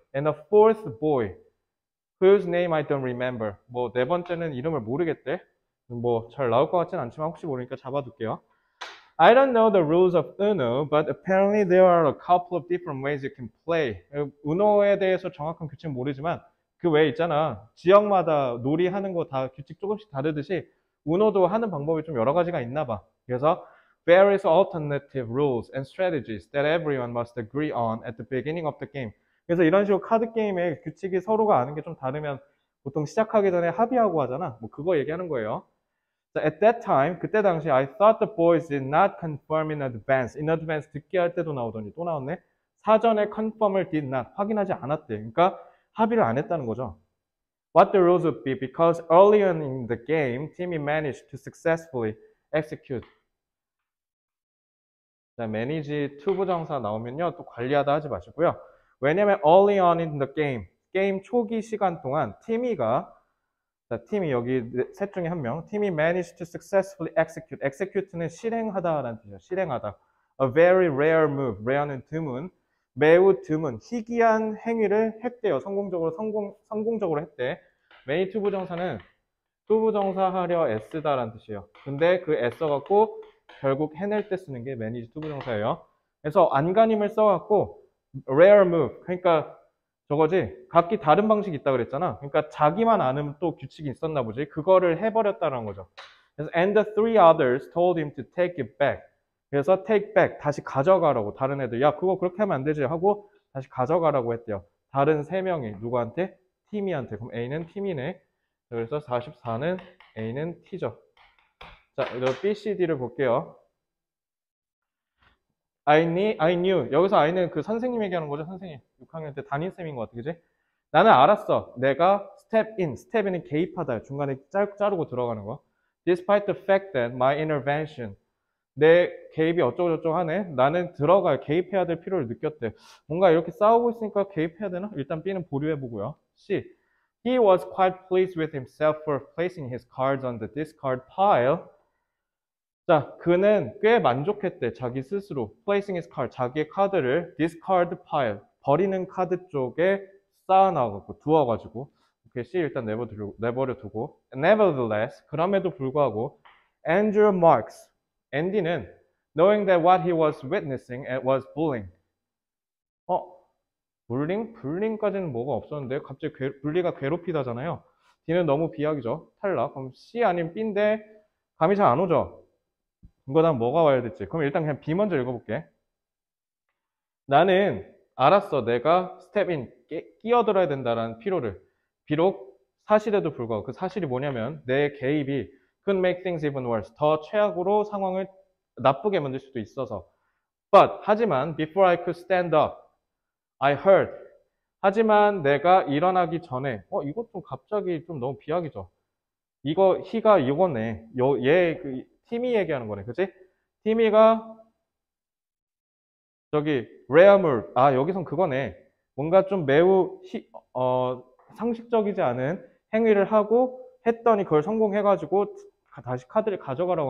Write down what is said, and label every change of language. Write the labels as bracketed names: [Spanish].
[English] And a fourth boy, whose name I don't remember. [Korean] 뭐네 번째는 이름을 모르겠대. 뭐잘 나올 것 같진 않지만 혹시 모르니까 잡아둘게요. [English] I don't know the rules of Uno, but apparently there are a couple of different ways you can play. [Korean] Uno에 대해서 정확한 규칙은 모르지만 그외 있잖아. 지역마다 놀이 하는 거다 규칙 조금씩 다르듯이 Uno도 하는 방법이 좀 여러 가지가 있나 봐. 그래서 [English] various alternative rules and strategies that everyone must agree on at the beginning of the game. [Korean] 그래서 이런 식으로 카드 게임의 규칙이 서로가 아는 게좀 다르면 보통 시작하기 전에 합의하고 하잖아. 뭐 그거 얘기하는 거예요. [English] So at that time, [Korean] 그때 당시 [English] I thought the boys did not confirm in advance. In advance [Korean] 듣기 할 때도 나오더니 또 나왔네. 사전에 confirm을 [English] did not [Korean] 확인하지 않았대. 그러니까 합의를 안 했다는 거죠. [English] What the rules would be because early in the game, Timmy managed to successfully execute. [Korean] 자, manage 투부정사 나오면요. 또 관리하다 하지 마시고요. 왜냐면 [English] early on in the game, [Korean] 게임 초기 시간 동안 Timmy가 팀이 여기 셋 중에 한 명. 팀이 [English] managed to successfully execute. [Korean] execute는 실행하다라는 뜻이에요. 실행하다. [English] A very rare move. [Korean] rare는 드문. 매우 드문. 희귀한 행위를 했대요. 성공적으로 성공적으로 했대. many 투부정사는 투부정사하려 애쓰다라는 뜻이에요. 근데 그 애써갖고 결국 해낼 때 쓰는 게 manage 투부정사예요. 그래서 안간힘을 써갖고 rare move. 그러니까 저거지. 각기 다른 방식이 있다 그랬잖아. 그러니까 자기만 아는 또 규칙이 있었나 보지. 그거를 해버렸다는 거죠. 그래서 [English] and the three others told him to take it back. [Korean] 그래서 take back 다시 가져가라고 다른 애들. 야, 그거 그렇게 하면 안 되지 하고 다시 가져가라고 했대요. 다른 세 명이 누구한테? 티미한테. 그럼 A는 티미네. 그래서 44는 A는 T죠. 자, 이거 B, C, D를 볼게요. [English] I knew. [Korean] 여기서 I는 그 선생님 얘기하는 거죠, 선생님. 6학년 때 담임쌤인 것 같아, 그지? 나는 알았어. 내가 step in. step in은 개입하다. 중간에 자르고 들어가는 거. [English] Despite the fact that my intervention. [Korean] 내 개입이 어쩌고저쩌고 하네. 나는 들어가, 개입해야 될 필요를 느꼈대. 뭔가 이렇게 싸우고 있으니까 개입해야 되나? 일단 B는 보류해보고요. [English] C. He was quite pleased with himself for placing his cards on the discard pile. [Korean] 자, 그는 꽤 만족했대, 자기 스스로. Placing his card, 자기의 카드를 discard pile, 버리는 카드 쪽에 쌓아놔갖고, 두어가지고. 오케이, C 일단 내버려 두고. [English] Nevertheless, [Korean] 그럼에도 불구하고, [English] Andrew Marks, Andy는 knowing that what he was witnessing it was bullying. [Korean] 불링? 불링까지는 뭐가 없었는데, 갑자기 분리가 괴롭히다잖아요. D는 너무 비약이죠. 탈락. 그럼 C 아니면 B인데, 감이 잘안 오죠? 이거 다음 뭐가 와야 될지. 그럼 일단 그냥 B 먼저 읽어볼게. 나는 알았어. 내가 스텝인, 끼어들어야 된다라는 피로를. 비록 사실에도 불구하고 그 사실이 뭐냐면 내 개입이 [English] could make things even worse. [Korean] 더 최악으로 상황을 나쁘게 만들 수도 있어서. [English] But, [Korean] 하지만 [English] before I could stand up, I heard. [Korean] 하지만 내가 일어나기 전에. 이것도 갑자기 좀 너무 비약이죠. 이거, he가 이거네. 팀이 얘기하는 거네, 그치? 팀이가 저기 레어물, 아 여기선 그거네. 뭔가 좀 매우 상식적이지 않은 행위를 하고 했더니 그걸 성공해가지고 다시 카드를 가져가라고.